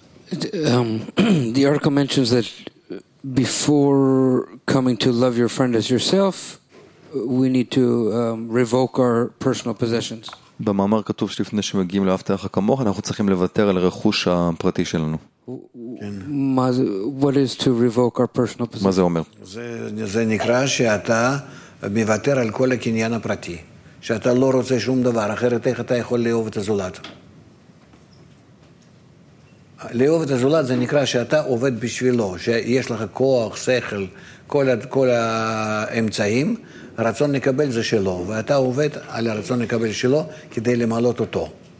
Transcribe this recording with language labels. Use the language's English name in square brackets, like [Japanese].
[English] The article mentions that before coming to love your friend as yourself, we need to revoke our personal possessions. [Hebrew] במאמר כתוב שלפני שמגיעים לאהבת אחר כמוך, אנחנו צריכים לוותר על הרכוש הפרטי שלנו. כן. מה זה, [English] what is to revoke our personal position? [Hebrew] מה זה אומר? זה נקרא שאתה מוותר על כל הקניין הפרטי. שאתה לא רוצה שום דבר, אחרת איך אתה יכול לאהוב את הזולת? לאהוב את הזולת זה נקרא שאתה עובד בשבילו, שיש לך כוח, שכל, כל האמצעים, רצון לקבל זה שלו, ואתה עובד על הרצון לקבל שלו כדי למלות אותו.